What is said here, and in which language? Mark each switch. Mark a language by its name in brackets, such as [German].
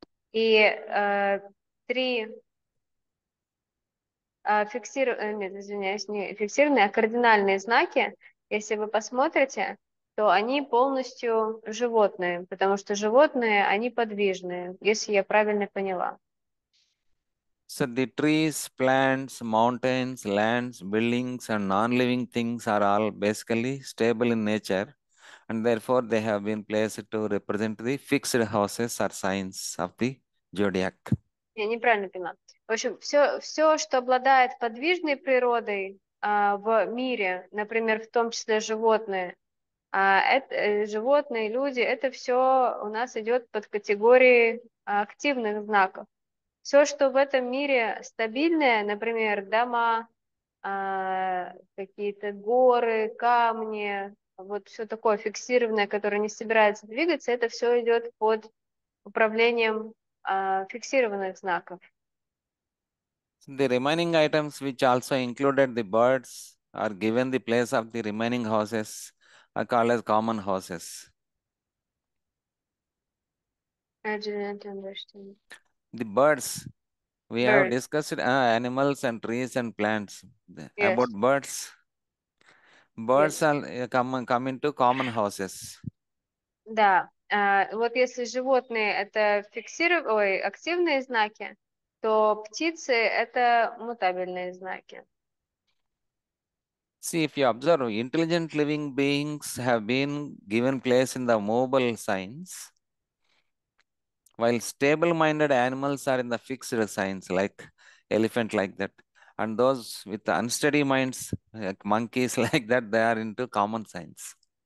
[Russian] И три фиксированные, а кардинальные знаки, если вы посмотрите, то они полностью животные, потому что животные, они подвижные, если я правильно поняла. [English] So the trees, plants, mountains, lands, buildings, and non-living things are all basically stable in nature, and therefore they have been placed to represent the fixed houses or signs of the zodiac. [Russian] Я неправильно поняла. В общем, все, что обладает подвижной природой в мире, например, в том числе животные, животные, люди, это все у нас идет под категорией активных знаков. Все, что в этом мире стабильное, например, дома, какие-то горы, камни, вот все такое фиксированное, которое не собирается двигаться, это все идет под управлением фиксированных знаков. [English] The remaining items, which also included the birds, are given the place of the remaining houses, are called as common houses. I didn't understand. The birds, we have Birds. discussed animals and trees and plants. Yes. About birds, birds Yes. are come into common houses. [Russian] Да, вот если животные это фиксированные, активные знаки, то птицы – это мутабельные знаки. [English] See, if you observe, intelligent living beings have been given place in the mobile signs, while stable-minded animals are in the fixed signs, like elephant, like that. And those with unsteady minds, like monkeys, like that, they are into common signs.